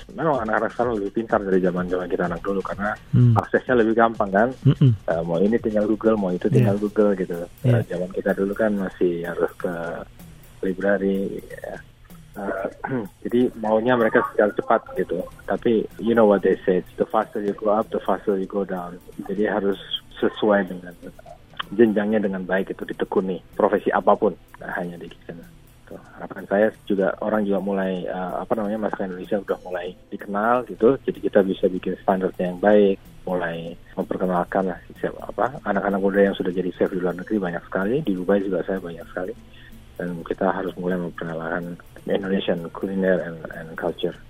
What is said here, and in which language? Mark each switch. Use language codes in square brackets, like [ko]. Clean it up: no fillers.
[id] Memang anak-anak sekarang lebih pintar dari zaman-zaman kita anak dulu karena aksesnya lebih gampang kan. Mau ini tinggal Google, mau itu tinggal Google gitu. Zaman kita dulu kan masih harus ke library ya. Jadi maunya mereka secara cepat gitu. [en] Tapi you know what they say, the faster you go up, the faster you go down. [id] Jadi harus sesuai dengan jenjangnya dengan baik itu ditekuni profesi apapun, nah, hanya di sana. Tuh, harapan saya juga orang juga mulai masakan Indonesia sudah mulai dikenal gitu, jadi kita bisa bikin standarnya yang baik, mulai memperkenalkan lah siapa apa anak-anak muda yang sudah jadi chef di luar negeri banyak sekali, di Dubai juga saya banyak sekali, dan kita harus mulai memperkenalkan [en] Indonesian culinary and culture.